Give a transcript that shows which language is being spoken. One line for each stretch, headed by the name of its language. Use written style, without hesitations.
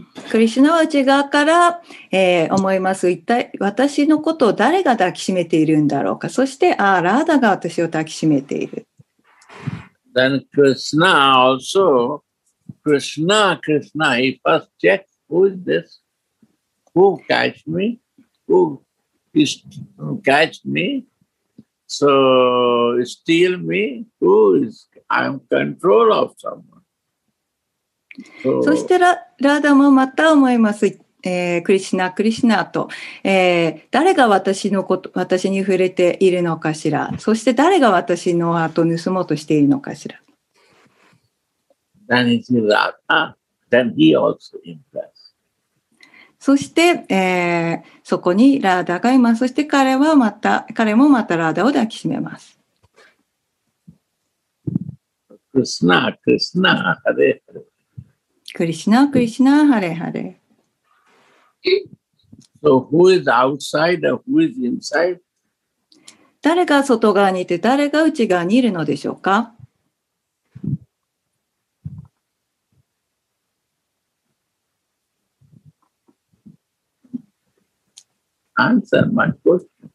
Japanese: クリシュナは内側から、思います。一体私のことを誰が抱きしめているんだろうか。そして、ああ、ラーダが私を抱きしめている。
English: Then Krishna also, Krishna, Krishna, he first checks who is this? Who catch me? Who is catch me? So steal me? Who is? I am control of someone.
Japanese: そして ラーダもまた思います、クリシナクリシナと、誰が私のこと私に触れているのかしら、そして誰が私の後を盗もうとしているのかしら。
English: Then it's Radha. Then he also impressed.
Japanese: そして、そこにラーダがいます。そして彼もまたラーダを抱きしめます。
Sanskrit: クリシナクリシナハレクリシナ、クリシナ、ハレハレ。
English: So who is outside and who is inside?
Japanese: 誰が外側にいて、誰が内側にいるのでしょうか？
English: Answer my question.